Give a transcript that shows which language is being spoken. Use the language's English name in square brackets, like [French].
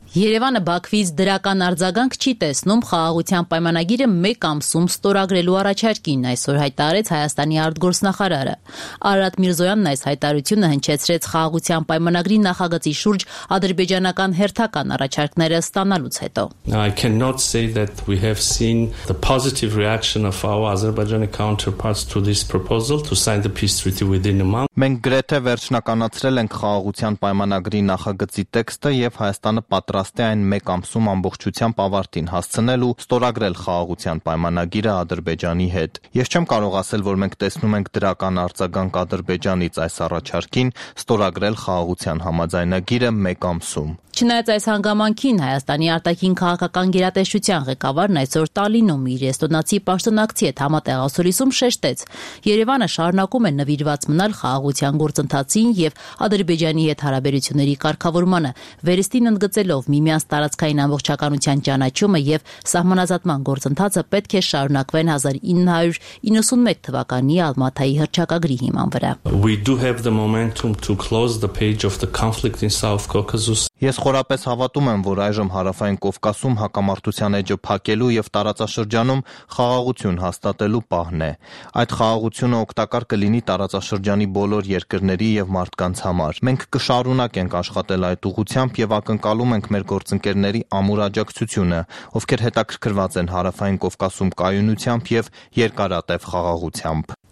[Armenian] Երևանը Բաքվից դրական արձագանք չի տեսնում խաղաղության պայմանագիրը մեկ ամսում ստորագրելու առաջարկին, այսօր հայտարարեց Հայաստանի արտգործնախարարը։ Արարատ Միրզոյանն այս հայտարարությունը հնչեցրեց խաղաղության պայմանագրի նախագծի շուրջ ադրբեջանական հերթական առաջարկները ստանալուց հետո։ [English] I cannot say that we have seen the positive reaction of our Azerbaijani counterparts to this proposal to sign the peace treaty within a month. [Armenian] Մենք գրեթե վերջնականացրել ենք խաղաղության պայմանագրի նախագծի տեքստը եւ Հայաստանը պատրաստ է այն մեկ ամսում ամբողջությամբ ավարտին հասցնելու ստորագրել խաղաղության պայմանագիրը Ադրբեջանի հետ։ Ես չեմ կարող ասել, որ մենք տեսնում ենք դրական արձագանք Ադրբեջանից այս առաջարկին ստորագրել խաղաղության համաձայնագիրը մեկ ամսում։ Չնայած այս հանգամանքին, Հայաստանի արտաքին քաղաքական գերատեսչության ղեկավարն այսօր Տալինում իր էստոնացի պաշտոնակցի հետ համատեղասորիսում շեշտեց, Երևանը շարունակում է նվիրված մնալ խաղաղության գործընթացին և Ադրբեջանի հետ հարաբերությունների կարգավորմանը, վերստին ընդգծելով միմյանց տարածքային ամբողջականության ճանաչումը և սահմանազատման գործընթացը պետք է շարունակվեն 1991 թվականի Ալմատայի հռչակագրի հիման վրա։ [English] We do have the momentum to close the page of the conflict in South Caucasus. [Armenian] Ես խորապես հավատում եմ, որ այժմ հարավային Կովկասում հակամարտության էջը փակելու և տարածաշրջանում խաղաղություն հաստատելու պահն է։ Այդ խաղաղությունը օգտակար կլինի տարածաշրջանի բոլոր երկրների և մարդկանց համար։ Մենք կշարունակենք աշխատել այդ ուղղությամբ և ակնկալում ենք մեր գործընկերների ամուր աջակցությունը, ովքեր հետաքրքրված են հարավային Կովկասում կայունությամբ և երկարատև խաղաղությամբ։